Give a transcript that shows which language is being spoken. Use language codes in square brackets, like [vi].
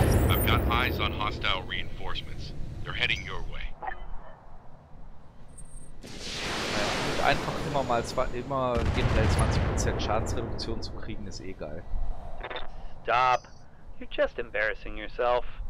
[en] I've got eyes on hostile reinforcements. They're heading your way. [de] Einfach immer mal zwar immer generell 20% Schadensreduktion zu kriegen, ist eh geil. [en] Stop. You're just embarrassing yourself.